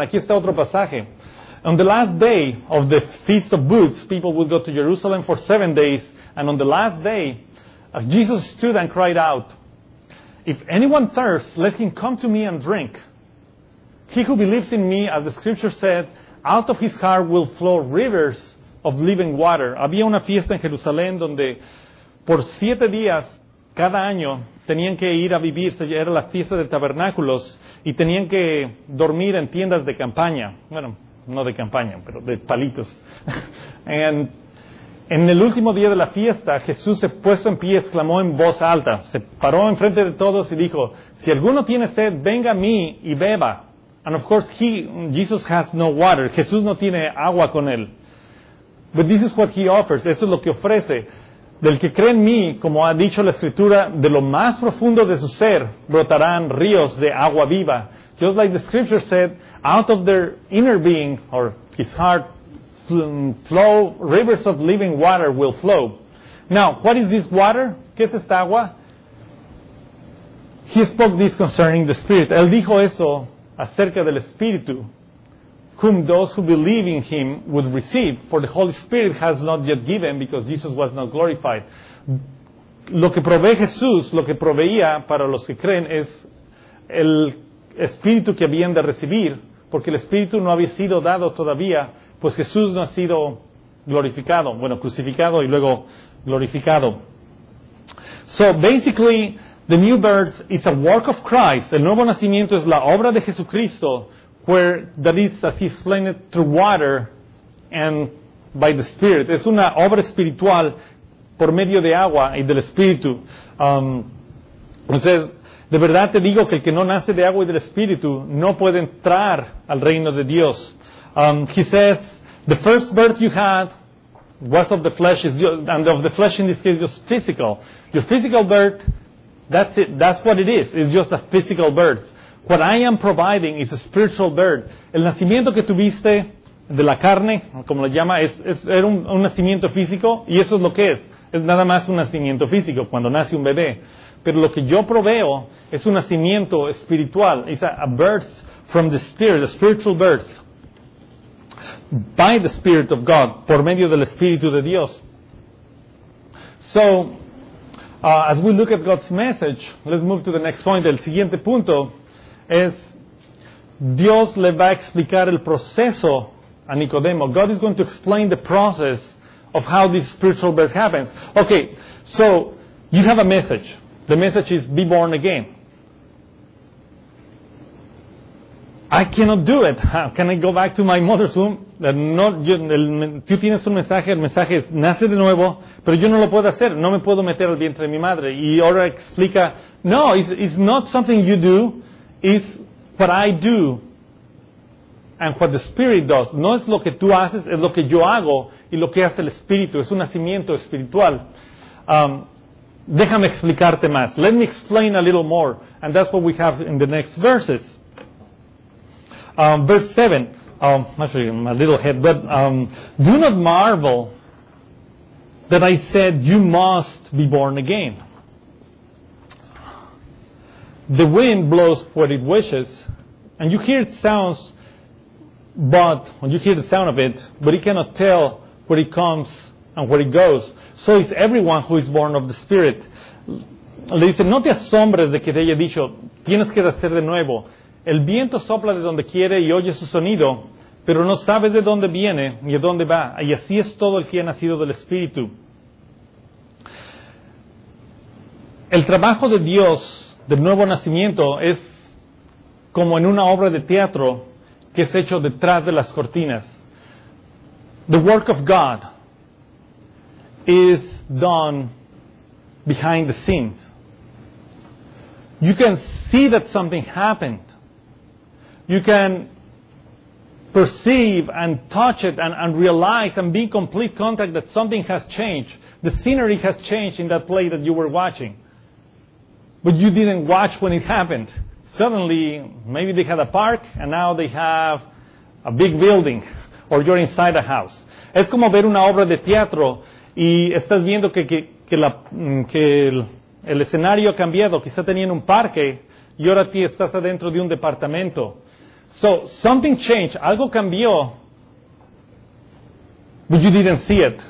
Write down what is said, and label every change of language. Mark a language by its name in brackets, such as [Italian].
[Spanish] Aquí está otro pasaje. [English] On the last day of the Feast of Booths, people would go to Jerusalem for 7 days. And on the last day, Jesus stood and cried out, if anyone thirsts, let him come to me and drink. He who believes in me, as the scripture said, out of his heart will flow rivers of living water. [Spanish] Había una fiesta en Jerusalén donde por 7 días cada año tenían que ir a vivir, era la fiesta de tabernáculos, y tenían que dormir en tiendas de campaña. Bueno, no de campaña, pero de palitos. And en el último día de la fiesta, Jesús se puso en pie, exclamó en voz alta, se paró enfrente de todos y dijo, si alguno tiene sed, venga a mí y beba. [English] And of course, Jesus has no water. [Spanish] Jesús no tiene agua con él. [English] But this is what he offers. [Spanish] Eso es lo que ofrece. Del que cree en mí, como ha dicho la Escritura, de lo más profundo de su ser brotarán ríos de agua viva. [English] Just like the Scripture said, out of their inner being, or his heart, flow, rivers of living water will flow. Now, what is this water? [Spanish] ¿Qué es esta agua? [English] He spoke this concerning the Spirit. [Spanish] Él dijo eso acerca del Espíritu, [English] whom those who believe in him would receive, for the Holy Spirit has not yet given, because Jesus was not glorified. [Spanish] Lo que provee Jesús, lo que proveía para los que creen, es el Espíritu que habían de recibir, porque el Espíritu no había sido dado todavía, pues Jesús no ha sido glorificado, bueno, crucificado y luego glorificado. [English] So, basically, the new birth is a work of Christ. [Spanish] El nuevo nacimiento es la obra de Jesucristo, [English] where that is, as he explained it, through water and by the Spirit. [Spanish] Es una obra espiritual por medio de agua y del Espíritu. Entonces, de verdad te digo que el que no nace de agua y del Espíritu no puede entrar al reino de Dios. [English] He says, the first birth you had was of the flesh, and of the flesh in this case just physical. Your physical birth, that's it. That's what it is. It's just a physical birth. What I am providing is a spiritual birth. [Spanish] El nacimiento que tuviste de la carne, como lo llama, era un nacimiento físico, y eso es lo que es. Es nada más un nacimiento físico, cuando nace un bebé. Pero lo que yo proveo es un nacimiento espiritual. [English] It's a birth from the Spirit, a spiritual birth. By the Spirit of God, [Spanish] por medio del Espíritu de Dios. [English] So, as we look at God's message, let's move to the next point. [Spanish] El siguiente punto es, Dios le va a explicar el proceso a Nicodemo. [English] God is going to explain the process of how this spiritual birth happens. Okay, so, you have a message. The message is, be born again. I cannot do it. Can I go back to my mother's womb? [Spanish] Tú tienes un mensaje, el mensaje es, nace de nuevo, pero yo no lo puedo hacer, no me puedo meter al vientre de mi madre. Y ahora explica, [English] no, it's not something you do, it's what I do and what the Spirit does. [Spanish] No es lo que tú haces, es lo que yo hago y lo que hace el Espíritu, es un nacimiento espiritual. Déjame explicarte más. [English] Let me explain a little more. And that's what we have in the next verses. Verse 7. Actually, I'm a little ahead, but do not marvel that I said you must be born again. The wind blows where it wishes, and you hear its sounds, but when you hear the sound of it, but it cannot tell where it comes and where it goes. So is everyone who is born of the Spirit. [Spanish] Le dice, no te asombres de que te haya dicho, tienes que nacer de nuevo. El viento sopla de donde quiere y oye su sonido, pero no sabes de dónde viene ni de dónde va. Y así es todo el que ha nacido del Espíritu. El trabajo de Dios del nuevo nacimiento es como en una obra de teatro que es hecho detrás de las cortinas. [English] The work of God is done behind the scenes. You can see that something happened. You can perceive and touch it and realize and be in complete contact that something has changed. The scenery has changed in that play that you were watching. But you didn't watch when it happened. Suddenly, maybe they had a park and now they have a big building or you're inside a house. [Spanish] Es como ver una obra de teatro y estás viendo que el escenario ha cambiado. Quizá tenían un parque y ahora tú estás adentro de un departamento. [English] So, something changed. [Spanish] Algo cambió, [English] but you didn't see it.